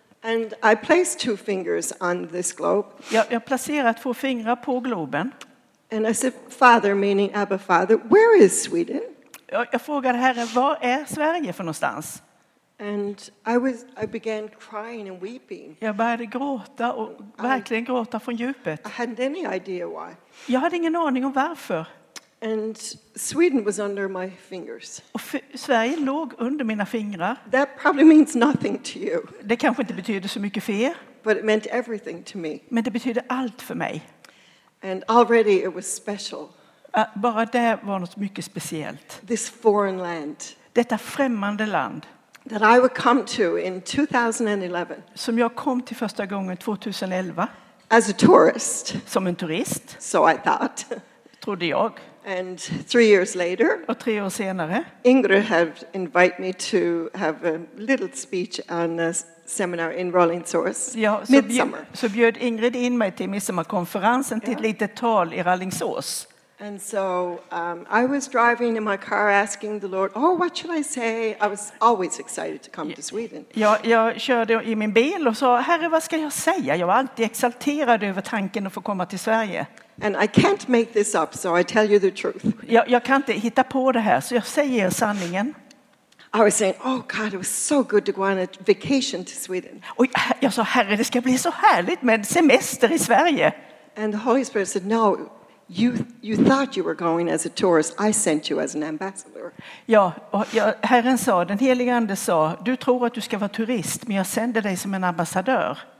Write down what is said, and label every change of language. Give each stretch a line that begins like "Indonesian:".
English: And I placed two fingers on this globe.
Swedish: Jag placerade två fingrar på globen.
English: And I said, Father, meaning Abba Father, where is Sweden?
Swedish: Jag frågade Herren, var är Sverige för någonstans?
English: And I began crying and weeping.
Swedish: Jag började gråta och verkligen gråta från djupet.
English: I hadn't any idea why.
Swedish: Jag hade ingen aning om varför.
English: And Sweden was under my fingers.
Swedish: Och Sverige låg under mina fingrar.
English: That probably means nothing to you.
Swedish: Det kanske inte betyder så mycket för er.
English: But it meant everything to me.
Swedish: Men det betyder allt för mig.
English: And already it was special.
Swedish: Bara det var något mycket speciellt.
English: This foreign land.
Swedish: Detta främmande land.
English: That I would come to in 2011.
Swedish: Som jag kom till första gången 2011.
English: As a tourist.
Swedish: Som en turist.
English: So I thought.
Swedish: Trodde jag.
English: And 3 years later.
Swedish: Och 3 år senare.
English: Ingrid have invited me to have a little speech on a seminar in Rallingsås.
Swedish: Ja, så bjöd Ingrid in mig till midsommarkonferensen till ett litet tal i Rallingsås.
English: And so I was driving in my car asking the Lord, oh, what should I say? I was always excited to come to Sweden.
Swedish: Jag körde i min bil och sa, Herre, vad ska jag säga? Jag var alltid exalterad över tanken att få komma till Sverige.
English: And I can't make this up, so I tell you the truth.
Swedish: Jag kan inte hitta på det här, så jag säger sanningen.
English: I was saying, oh God, it was so good to go on a vacation to Sweden.
Swedish: Och jag sa, Herre, det ska bli så härligt med semester i Sverige.
English: And the Holy Spirit said, no. You thought you were going as a tourist. I sent you as an ambassador.
Swedish: Ja, och Herren sa, den helige ande sa, du tror att du ska vara turist, men jag sände dig som en ambassadör.